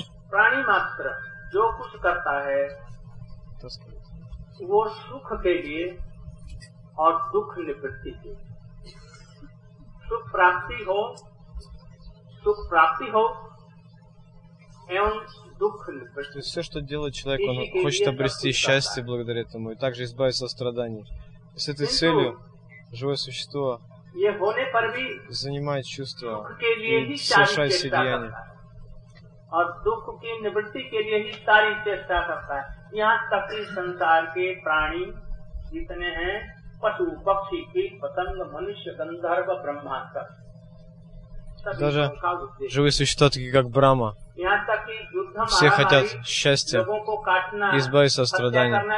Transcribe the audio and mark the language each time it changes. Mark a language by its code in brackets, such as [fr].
[hi] प्राणी मात्र जो कुछ करता है वो सुख के लिए और दुख निवृत्ति के लिए, सुख प्राप्ति हो एवं दुख निवृत्ति। [ru] Все, что делает человек, он хочет обрести счастье благодаря этому и также избавиться от страданий. И с этой целью живое существо занимает чувства и совершает все деяния. [hi] और दुख की निवृत्ति के लिए ही सारी चेष्टा करता है। यहाँ तक कि संसार के प्राणी जितने हैं, पशु पक्षी कीट पतंग मनुष्य गंधर्व ब्रह्मा तक, [ru] даже живые существа, такие как Брама, все хотят счастья, избавиться от страданий.